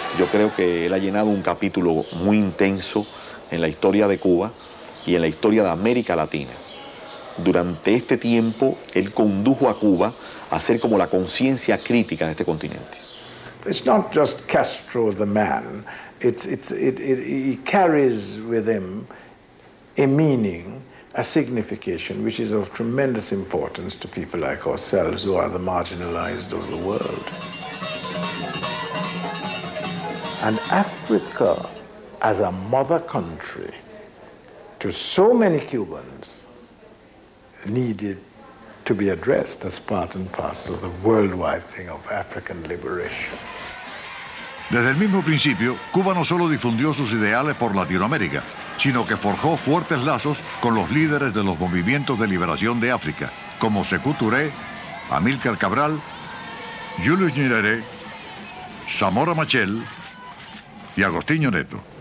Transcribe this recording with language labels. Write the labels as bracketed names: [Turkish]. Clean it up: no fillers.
[Spanish] Creo que él ha llenado un capítulo muy intenso en la historia de Cuba y en la historia de América Latina. Durante este tiempo, él condujo a Cuba a ser como la conciencia crítica en este continente. [English] It's not just Castro the man. He carries with him a meaning, a signification, which is of tremendous importance to people like ourselves who are the marginalized of the world. And Africa, as a mother country to so many Cubans, needed to be addressed as part and parcel of the worldwide thing of African liberation. [Spanish] Desde el mismo principio, Cuba no solo difundió sus ideales por Latinoamérica, sino que forjó fuertes lazos con los líderes de los movimientos de liberación de África, como Sekou Touré, Amílcar Cabral, Julius Nyerere, Zamora Machel y Agostinho Neto.